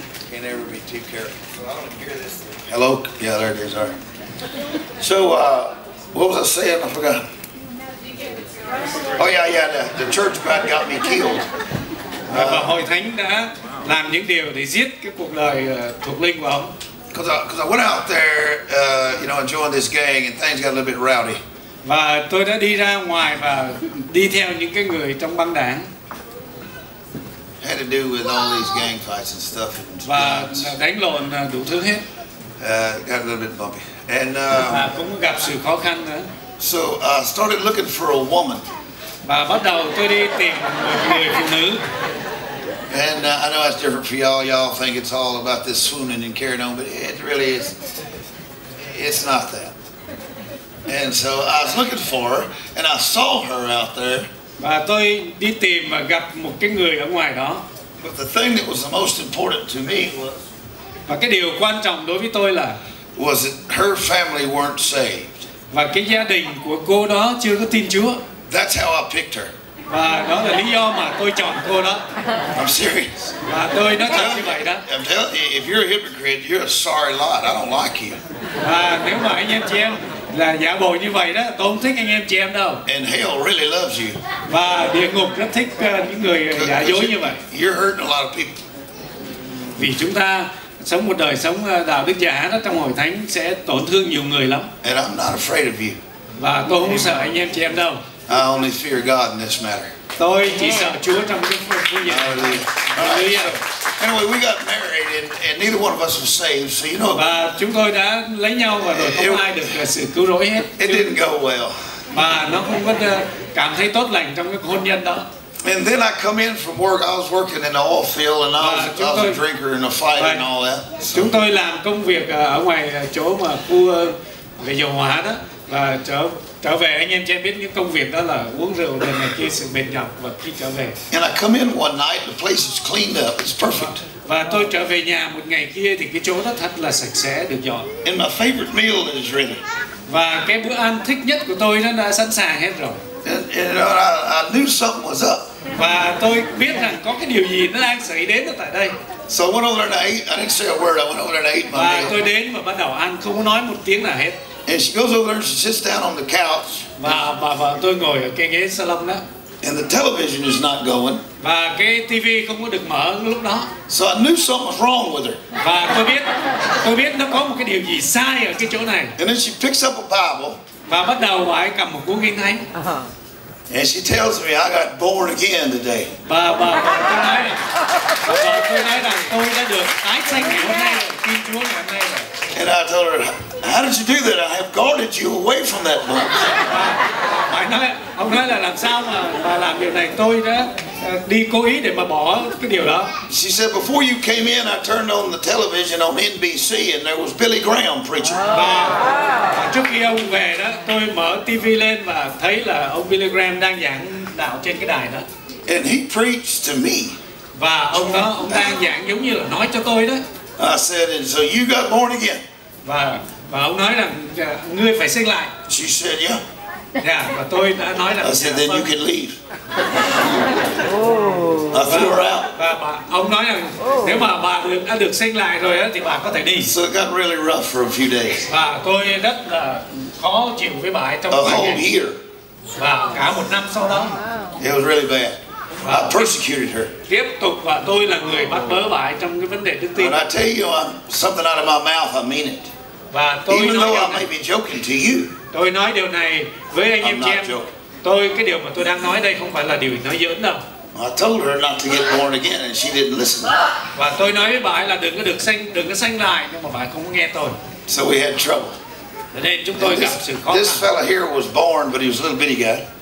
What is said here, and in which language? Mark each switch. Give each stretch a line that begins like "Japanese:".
English: Can't ever be too careful. Hello? Yeah, there it is. All right. So, what was I saying? I forgot. Oh, yeah, the church about got me killed.
Vietnamese: Hội thánh đã làm những điều để giết cái cuộc đời thuộc linh của ông.
English: Cause I went out there, you know, and joined this gang, and things got a little bit rowdy.
Vietnamese: Và tôi đã đi ra ngoài và đi theo những cái người trong băng đảng.
English: Had to do with all these gang fights and stuff. And
Vietnamese: và đánh lộn đủ thứ hết.
English: Got a little bit bumpy. And
Vietnamese: cũng gặp sự khó khăn nữa.
English: So I started looking for a woman.
Vietnamese: Và bắt đầu tôi đi tìm một người phụ nữ.
English: And I know that's different for y'all. Y'all think it's all about this swooning and carrying on, but it really is. It's not that. And so I was looking for her, and I saw her out there.
Vietnamese: Và tôi đi tìm và gặp một cái người ở ngoài đó.
English: But the thing that was the most important to me was.
Vietnamese: Và cái điều quan trọng đối với tôi là.
English: Was that her family weren't saved.
Vietnamese: Và cái gia đình của cô đó chưa có tin Chúa.
English: That's how I picked her.
Vietnamese: Và đó là lý do mà tôi chọn cô đó.
English: I'm serious.
Vietnamese: Và tôi nói thật như vậy đó.
English: I'm telling you, if you're a hypocrite, you're a sorry lot. I don't like you.
Vietnamese: Và nếu mà anh em chị em là giả bộ như vậy đó, tôi không thích anh em chị em đâu.
English: And hell really loves you.
Vietnamese: Và địa ngục rất thích những người giả dối như vậy.
English: You're hurting a lot of people.
Vietnamese: Vì chúng ta sống một đời sống đạo đức giả đó trong hội thánh sẽ tổn thương nhiều người lắm.
English: And I'm not afraid of you.
Vietnamese: Và tôi không sợ anh em chị em đâu.
English: I only fear God in this matter.
Vietnamese: Tôi chỉ sợ Chúa trong cái phương diện.
English: Hallelujah. Anyway, we got married, and neither one of us was saved, so you know.
Vietnamese: Và chúng tôi đã lấy nhau và rồi không ai được sự cứu rỗi hết.
English: It didn't go well.
Vietnamese: Và nó không có cảm thấy tốt lành trong cái hôn nhân đó.
English: And then I come in from work. I was working in the oil field, and I was a drinker and a fighter and all that. So.
Vietnamese: Chúng tôi làm công việc ở ngoài chỗ mà khu về dầu hỏa đó và chỗ. Trở về anh em cho biết những công việc đó là uống rượu rồi này kia sự mệt nhọc và khi trở về.
English: And I come in one night, the place is cleaned up, it's perfect.
Vietnamese: Và tôi trở về nhà một ngày kia thì cái chỗ đó thật là sạch sẽ được dọn.
English: And my favorite meal is ready.
Vietnamese: Và cái bữa ăn thích nhất của tôi nó đã sẵn sàng hết rồi.
English: And I knew something was up.
Vietnamese: Và tôi biết rằng có cái điều gì nó đang xảy đến ở tại đây.
English: So I went over there to eat. I didn't say a word. I went over there to eat my meal.
Vietnamese: Và tôi đến và bắt đầu ăn không nói một tiếng nào hết.
English: And she goes over there and she sits down on the couch.
Vietnamese: Và bà tôi ngồi ở cái ghế salon đó.
English: And the television is not going.
Vietnamese: Và cái TV không có được mở lúc đó.
English: So I knew something was wrong with her.
Vietnamese: Và tôi biết nó có một cái điều gì sai ở cái chỗ này.
English: And then she picks up a Bible.
Vietnamese: Và bắt đầu bà ấy cầm một cuốn kinh thánh.
English: And she tells me I got born again today.
Vietnamese: Bà tôi nói rằng tôi đã được tái sinh ngày hôm nay, tin Chúa ngày hôm nay.
English: And I told her, how did you do that? I have guarded you away from that book.
Vietnamese: Ông nói là làm sao mà bà làm điều này? Tôi đã đi cố ý để mà bỏ cái điều đó.
English: She said, before you came in, I turned on the television on NBC and there was Billy Graham preaching.
Vietnamese: Và trước khi ông về đó, tôi mở TV lên và thấy là ông Billy Graham đang giảng đạo trên cái đài đó.
English: And he preached to me.
Vietnamese: Và ông đó, ông đang giảng giống như là nói cho tôi đó.
English: I said, and so you got born again.
Vietnamese: Và ông nói rằng ngươi phải sinh lại.
English: She said, yeah.
Vietnamese: Yeah, và tôi đã nói rằng,
English: I said, then you can leave. I threw her out.
Vietnamese: Ông nói rằng, nếu mà bà đã được sinh lại rồi thì bà có thể đi.
English: So it got really rough for a few days.
Vietnamese: Và tôi rất là khó chịu với bà ấy trong
English: a whole year.
Vietnamese: Và cả một năm sau đó.
English: It was really bad. I persecuted her.
Vietnamese: Tiếp tục và tôi là người bắt bớ bà ấy trong cái vấn đề đức tin.
English: When I tell you something out of my mouth, I mean it.
Vietnamese: Và tôi
English: Even
Vietnamese: nói
English: though I may be joking to you.
Vietnamese: Tôi nói điều này với anh em chị em. Tôi cái điều mà tôi đang nói đây không phải là điều nói giỡn đâu.
English: I told her not to get born again, and she didn't listen.
Vietnamese: Và tôi nói với bà ấy là đừng có sanh lại, nhưng mà bà ấy không nghe tôi.
English: So we had trouble.
Vietnamese: Và nên chúng tôi gặp sự khó khăn.
English: This fella here was born, but he was a little bitty guy.